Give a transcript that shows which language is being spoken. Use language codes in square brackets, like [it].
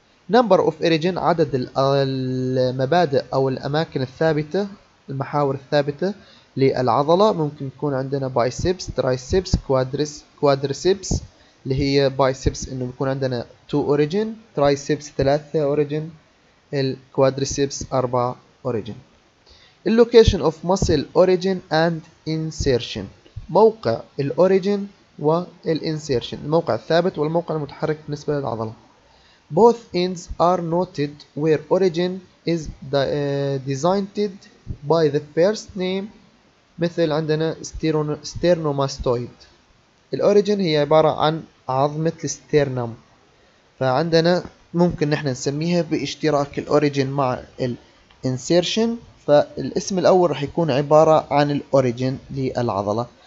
[ar] نمبر اوف اوريجين، عدد المبادئ او الاماكن الثابتة، المحاور الثابتة للعضلة، ممكن يكون عندنا بايسبس، ترايسبس، كوادريسبس اللي هي بايسبس انه بيكون عندنا 2 اوريجين، ترايسبس 3 اوريجين، الكوادريسبس 4 اوريجين. اللوكيشن اوف ماسل اوريجين اند انسيرشن، موقع الاوريجين والانسيرشن، الموقع الثابت والموقع المتحرك بالنسبه للعضله. [en] Both ends are noted where origin is designated by the first name. [ar] مثل عندنا ستيرنوماستويد، الاوريجين هي عباره عن عظمه الستيرنوم، فعندنا ممكن نحن نسميها باشتراك الاوريجين مع الانسيرشن، فالاسم الاول راح يكون عباره عن الاوريجين للعضله.